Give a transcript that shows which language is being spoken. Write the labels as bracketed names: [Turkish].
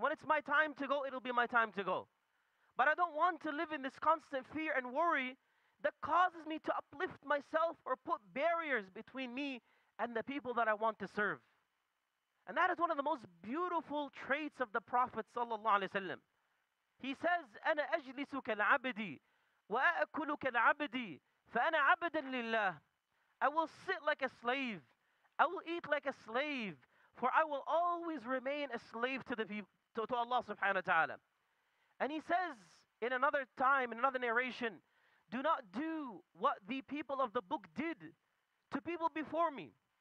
[English] When it's my time to go, it'll be my time to go. But I don't want to live in this constant fear and worry that causes me to uplift myself or put barriers between me and the people that I want to serve. And that is one of the most beautiful traits of the Prophet sallallahu alaihi wasallam. [Arabic] He says, أَنَا أَجْلِسُ كَالْعَبْدِ وَأَأَكُلُ كَالْعَبْدِ فَأَنَا عَبْدًا لِلَّهِ. [English] I will sit like a slave. I will eat like a slave. For I will always remain a slave to the people, to Allah subhanahu wa ta'ala. And he says in another time, in another narration, do not do what the people of the book did to people before me.